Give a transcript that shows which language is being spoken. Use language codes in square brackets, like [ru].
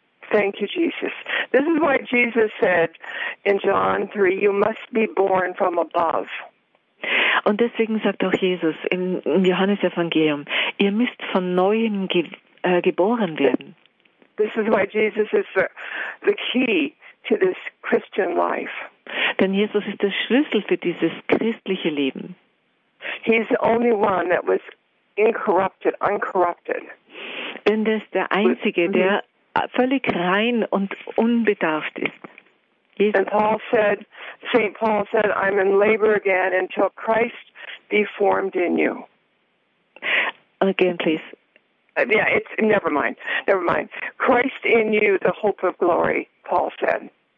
[en] Thank you, Jesus. This is why Jesus said in John 3, you must be born from above. [de] Und deswegen sagt auch Jesus im Johannesevangelium, ihr müsst von Neuem geboren werden. [en] This is why Jesus is the key to this Christian life. [de] Denn Jesus ist der Schlüssel für dieses christliche Leben. [en] He is the only one that was incorrupted, uncorrupted. [de] Denn er ist der Einzige, der völlig rein und unbedarft ist. [en] Jesus. And Paul said, St. Paul said, I'm in labor again until Christ be formed in you. Again, please. Never mind. Christ in you, the hope of glory, Paul said.